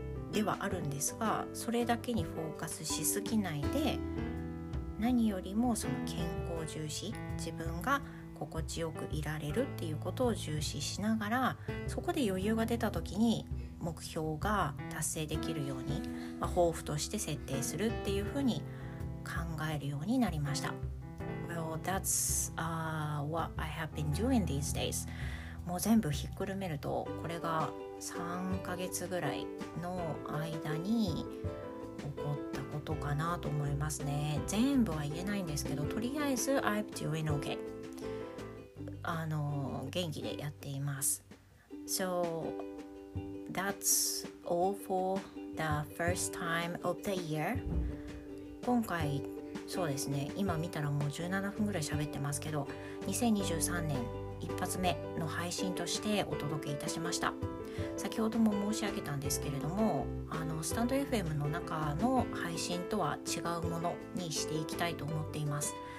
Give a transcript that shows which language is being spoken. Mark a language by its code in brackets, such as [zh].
[ja] ではあるんですが、それだけにフォーカスしすぎないで、何よりもその健康重視、自分が心地よくいられるっていうことを重視しながら、そこで余裕が出た時に目標が達成できるように、抱負として設定するっていうふうに考えるようになりました。 [en] Well, that's what I have been doing these days。 [ja] もう全部ひっくるめるとこれが3ヶ月ぐらいの間に起こったことかなと思いますね。全部は言えないんですけど、とりあえず [en] I'm doing okay、 [ja] 元気でやっています。 [en] So that's all for the first time of the year。 [ja] 今回そうですね、今見たらもう17分ぐらい喋ってますけど、2023年一発目の配信としてお届けいたしました。先ほども申し上げたんですけれども、スタンド FM の中の配信とは違うものにしていきたいと思っています。